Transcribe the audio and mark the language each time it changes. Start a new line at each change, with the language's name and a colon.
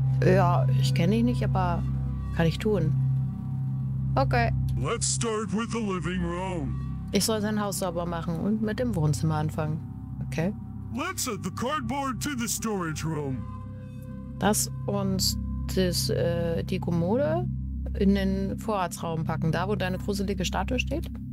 German: Ja, ich kenne dich nicht, aber kann ich tun. Okay.
English: Let's start with the living room.
German: Ich soll sein Haus sauber machen und mit dem Wohnzimmer anfangen. Okay.
English: Let's add the cardboard to the storage room.
German: Lass uns die Kommode in den Vorratsraum packen, da wo deine gruselige Statue steht.